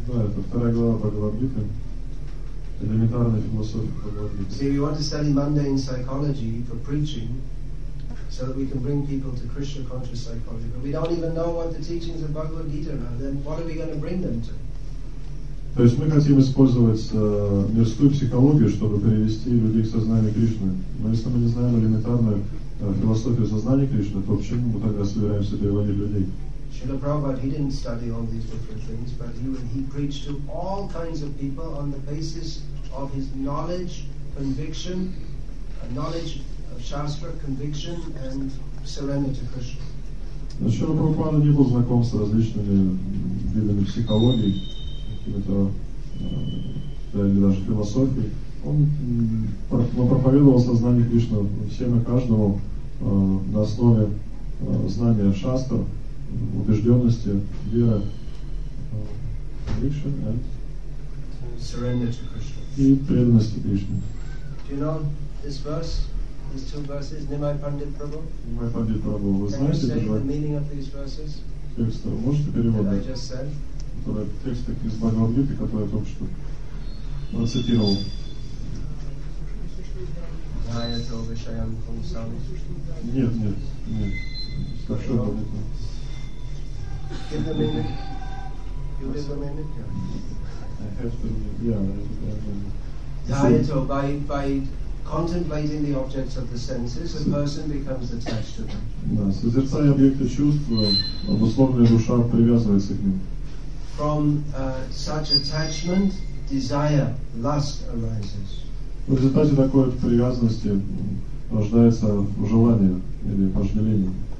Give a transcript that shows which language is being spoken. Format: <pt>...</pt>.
<ru>Да, это вторая глава Бхагавад Гиты. Элементарная философия Бхагавад Гиты.</ru> <en>See, we want to study mundane psychology for preaching, so that we can bring people to Krishna conscious psychology. But we don't even know what the teachings of Bhagavad Gita are. Then what are we going to bring them to?</en> <ru>То есть мы хотим использовать мирскую психологию, чтобы перевести людей к сознанию Кришны. Но если мы не знаем элементарную философию сознания Кришны, то почему мы тогда собираемся переводить людей?</ru> <en>Шрила Прабхупада, he didn't study all these different things, but he preached to all kinds of people on the basis of his knowledge, conviction, knowledge of Shastra, conviction and surrender to Krishna.</en> <ru>Шрила Прабхупада не был знаком с различными видами психологии, какими-то или даже философии. Он проповедовал сознание Кришны всем и каждому на основе знания шастр, убежденности, веры,</ru> <en>conviction and surrender to Krishna.</en> <ru>И преданности Кришне.</ru> <en>Do you know this verse, these two verses, Nimai Pandit Prabhu?</en> <ru>Nimai Pandit Prabhu, вы знаете</ru> <en>the meaning of these verses?</en> <ru>Текста, можете переводить? Текст из Бхагавад Гиты, который я только что процитировал.</ru> <en>By contemplating the objects of the senses, a person becomes attached to them.</en> <ru>Да, созерцая объекты чувств, обусловленная душа привязывается к ним.</ru> <en>From such attachment, desire, lust arises.</en> <ru>В результате такой привязанности рождается желание или вожделение.</ru>